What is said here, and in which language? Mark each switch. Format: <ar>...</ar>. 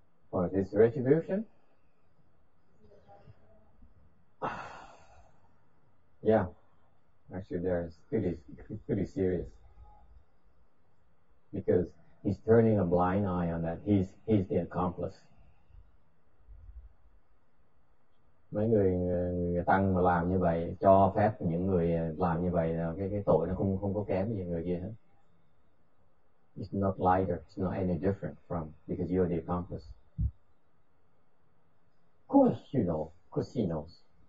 <en>What, his retribution? Yeah. Actually, there's pretty serious. Because he's turning a blind eye on that. He's the accomplice.</en> <vi>Mấy người tăng mà làm như vậy, cho phép những người làm như vậy, cái tội nó không có kém gì người kia hết.</vi> <en>It's not lighter. It's not any different from because you're the accomplice. Of course you know. Of course he knows.</en>